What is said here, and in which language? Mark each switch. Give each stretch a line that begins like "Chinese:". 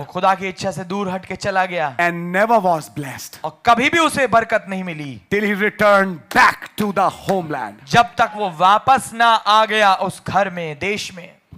Hindi: वो खुदा की इच्छा से दूर हट के चला गया,
English: and never was blessed,
Hindi: और कभी भी उसे बरकत नहीं मिली,
English: till he returned back to the homeland,
Hindi: जब तक वो वापस ना आ गया उस घर में, देश में।